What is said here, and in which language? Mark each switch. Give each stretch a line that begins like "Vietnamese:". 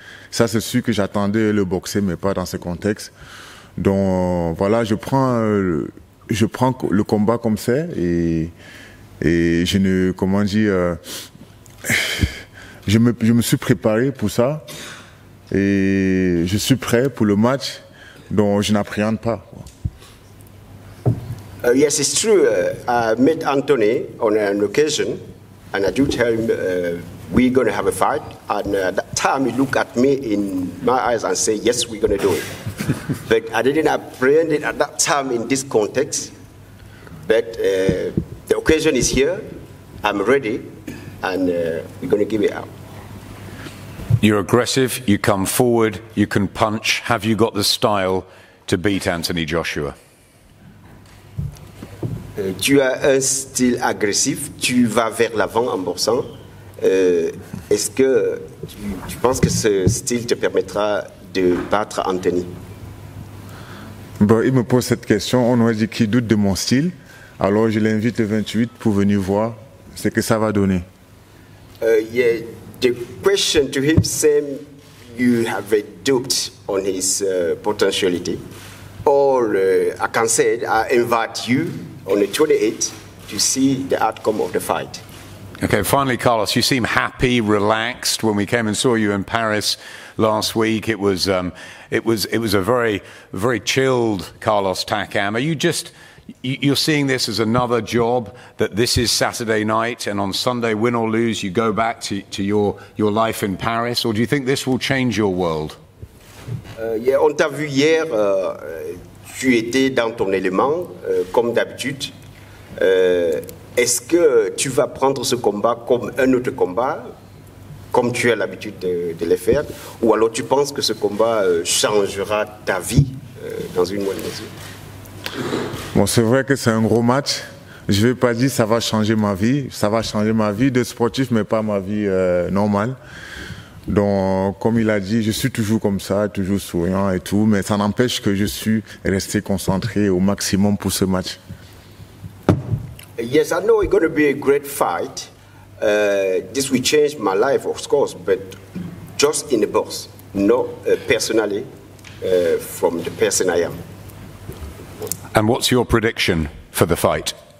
French: Ça, c'est sûr que j'attendais le boxer, mais pas dans ce contexte. Donc voilà, je prends le combat comme c'est et je ne, comment dire, je me suis préparé pour ça et je suis prêt pour le match, donc je n'appréhende pas.
English: Yes, it's true. I met Anthony on an occasion and I do tell him we're going to have a fight. And at that time he looked at me in my eyes and said, yes, we're going to do it. But I didn't apprehend it at that time in this context. But the occasion is here. I'm ready. And we're going to give it up. You're aggressive. You come forward. You can punch. Have you got the style to beat Anthony Joshua?
French: Tu as un style agressif. Tu vas vers l'avant en boxant. Est-ce que tu penses que ce style te permettra de battre Anthony? Bon, il me pose cette question. On aurait dit qu'il doute de mon style. Alors, je l'invite le 28 pour venir voir ce que ça va donner.
English: Yeah, the question to him seems you have a doubt on his potentiality. Or, I can say, it, I invite you on the 28th to see the outcome of the fight. Okay, finally, Carlos, you seem happy, relaxed. When we came and saw you in Paris last week, it was a very, very chilled Carlos Takam. Are you just, you're seeing this as another job, that this is Saturday night, and on Sunday, win or lose, you go back to your life in Paris, or do you think this will change your world?
French: Yeah, on t'a vu hier, tu étais dans ton élément, comme d'habitude. Est-ce que tu vas prendre ce combat comme un autre combat, comme tu as l'habitude de le faire, ou alors tu penses que ce combat changera ta vie dans une moindre mesure? Bon, c'est vrai que c'est un gros match. Je ne vais pas dire que ça va changer ma vie. Ça va changer ma vie de sportif, mais pas ma vie normale. Donc, comme il a dit, je suis toujours comme ça, toujours souriant et tout, mais ça n'empêche que je suis resté concentré au maximum pour ce match.
English: Yes, I know it's going to be a great fight. This will change my life, of course, but just in the box, not personally, from the person I am. And what's your prediction for the fight?